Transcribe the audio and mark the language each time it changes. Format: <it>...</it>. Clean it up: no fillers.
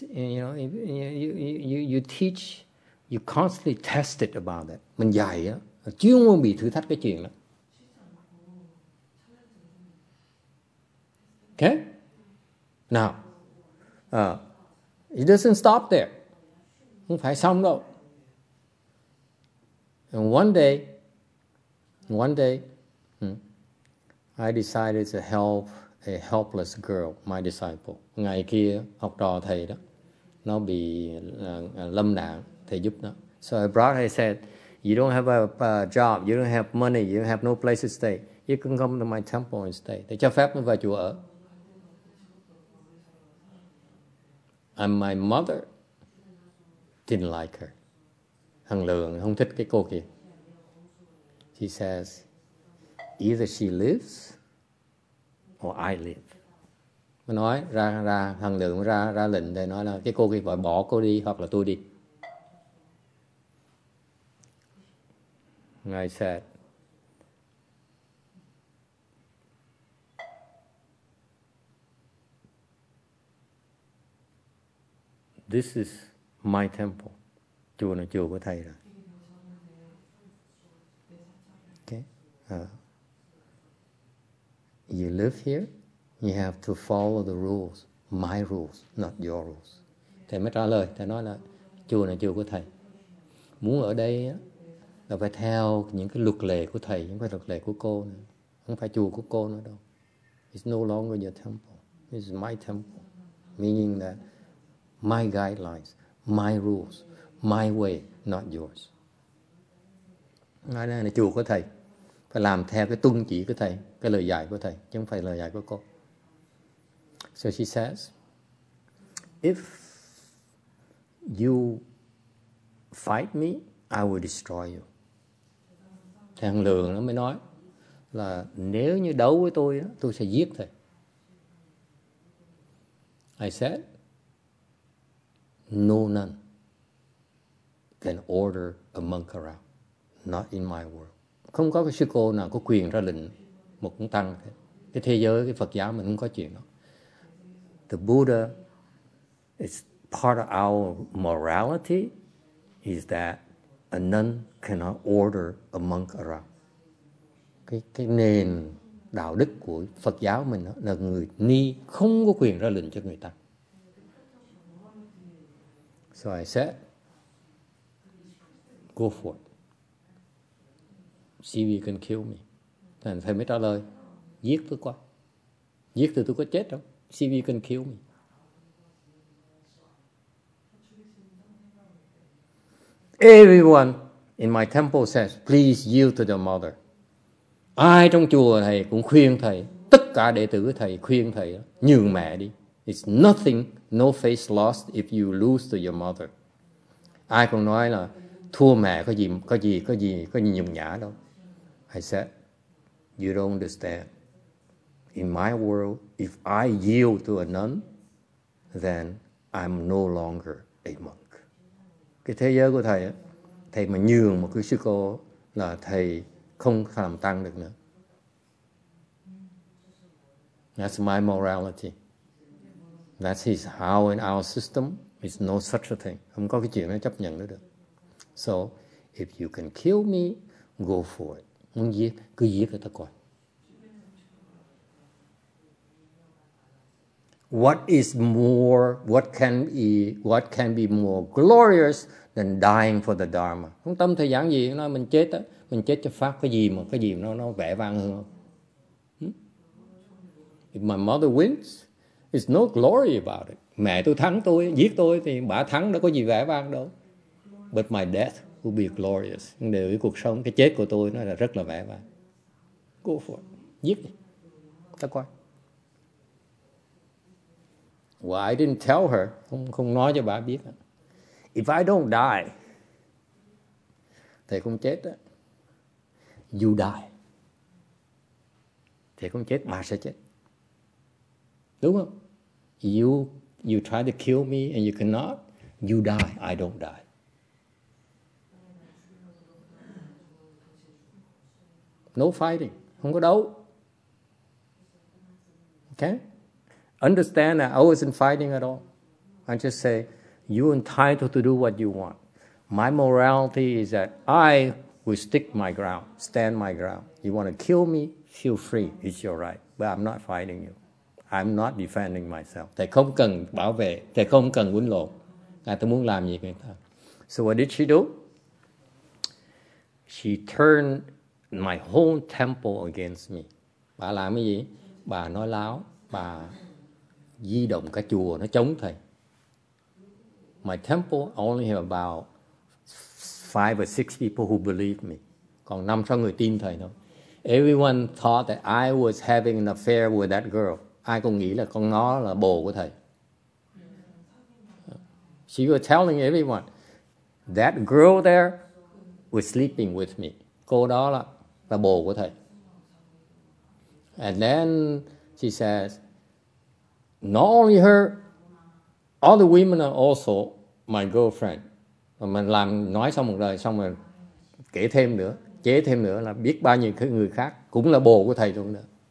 <en>You know, you teach, you constantly test it about it.</en> <vi>Mình dạy á, chuyên môn bị thử thách cái chuyện đó.</vi> <en>Okay? Now, it doesn't stop there.</en> <vi>Không phải xong đâu.</vi> <en>And one day, I decided to help a helpless girl, my disciple.</en> <vi>Ngày kia, học trò thầy đó, nó bị lâm nạn, thầy giúp nó.</vi> <en>So I brought her, I said, you don't have a job, you don't have money, you don't have no place to stay. You can come to my temple and stay.</en> <vi>Thầy cho phép nó vào chùa ở.</vi> <en>And my mother didn't like her.</en> <vi>Hằng Lượng không thích cái cô kia.</vi> <en>She says, either she lives or I live.</en> <vi>Mà nói ra Hằng Lượng ra lệnh để nói là cái cô kia phải bỏ cô đi hoặc là tôi đi.</vi> <en>And I said, this is my temple.</en> <vi>Chùa này chùa của thầy rồi.</vi> <en>You live here, you have to follow the rules, my rules, not your rules.</en> <vi>Thầy mới trả lời, thầy nói là chùa này chùa của thầy. Muốn ở đây là phải theo những cái luật lệ của thầy, những cái luật lệ của cô nữa. Không phải chùa của cô nữa đâu.</vi> <en>It's no longer your temple. It's my temple. Meaning that my guidelines, my rules, my way, not yours.</en> <vi>Nói là chùa của thầy. Phải làm theo cái tuân chỉ của thầy, cái lời dạy của thầy, chứ không phải lời dạy của cô.</vi> <en>So she says, if you fight me, I will destroy you.</en> <vi>Thầy Hằng Lượng nó mới nói là nếu như đấu với tôi, tôi sẽ giết thầy.</vi> <en>I said, no nun can order a monk around, not in my world.</en> <vi>Không có cái sư cô nào có quyền ra lệnh một cũng tăng. Cái thế giới, cái Phật giáo mình không có chuyện đó.</vi> <en>The Buddha is part of our morality is that a nun cannot order a monk around.</en> <vi>Cái nền đạo đức của Phật giáo mình đó, là người ni không có quyền ra lệnh cho người ta.</vi> <en>So I said, go for it. See if you can kill me. And</en> <vi>thầy mới trả lời, giết tôi qua. Giết thì tôi có chết đâu.</vi> <en>See if you can kill me. Everyone in my temple says, please yield to the mother.</en> <vi>Ai trong chùa thầy cũng khuyên thầy, tất cả đệ tử thầy khuyên thầy, nhường mẹ đi.</vi> <en>It's nothing, no face lost if you lose to your mother.</en> <vi>Ai cũng nói là, thua mẹ có gì nhục nhã đâu.</vi> <en>I said, you don't understand. In my world, if I yield to a nun, then I'm no longer a monk.</en> <vi>Cái thế giới của thầy, thầy mà nhường một cái sư cô là thầy không làm tăng được nữa.</vi> <en>That's my morality. That's his how in our system. It's no such a thing.</en> <vi>Không có cái chuyện nó chấp nhận nữa được.</vi> <en>So, If you can kill me, go for it.</en> <vi>Muốn giết, cứ giết cho ta coi.</vi> <en>What is more, what can be more glorious than dying for the Dharma?</en> <vi>Không tâm thời gian gì, nói mình chết á, mình chết cho Pháp, cái gì mà, cái gì mà nó vẻ vang hơn không?</vi> <en>If my mother wins, it's no glory about it.</en> <vi>Mẹ tôi thắng tôi, giết tôi thì bà thắng đâu có gì vẻ vang đâu.</vi> <en>But my death will be glorious.</en> <vi>Nếu cái cuộc sống, cái chết của tôi nó là rất là vẻ vang.</vi> <en>Go for it.</en> <vi>Giết đi. Ta coi.</vi> <en>Well, I didn't tell her.</en> <vi>Không nói cho bà biết.</vi> <en>If I don't die,</en> <vi>thầy không chết đó.</vi> <en>You die.</en> <vi>Thầy không chết, bà sẽ chết. Đúng không?</vi> <en>You try to kill me and you cannot. You die. I don't die. No fighting.</en> <vi>Không có đấu.</vi> <en>Okay? Understand that I wasn't fighting at all. I just say, you're entitled to do what you want. My morality is that I will stick my ground, stand my ground. You want to kill me? Feel free. It's your right. But I'm not fighting you. I'm not defending myself.</en> <vi>Thầy không cần bảo vệ, thầy không cần quấn lộn. Ngài tôi muốn làm gì người ta.</vi> <en>So what did she do? She turned my whole temple against me.</en> <vi>Bà làm cái gì? Bà nói láo, bà di động cả chùa nó chống thầy.</vi> <en>My temple only have about 5 or 6 people who believe me.</en> <vi>Còn 5-6 người tin thầy thôi.</vi> <en>Everyone thought that I was having an affair with that girl.</en> <vi>Ai cũng nghĩ là con nó là bồ của thầy.</vi> <en>She was telling everyone, that girl there was sleeping with me.</en> <vi>Cô đó là bồ của thầy.</vi> <en>And then she says, not only her, all the women are also my girlfriend.</en> <vi>Và mình làm nói xong một lời, xong rồi kể thêm nữa, chế thêm nữa là biết bao nhiêu người khác cũng là bồ của thầy luôn nữa.</vi>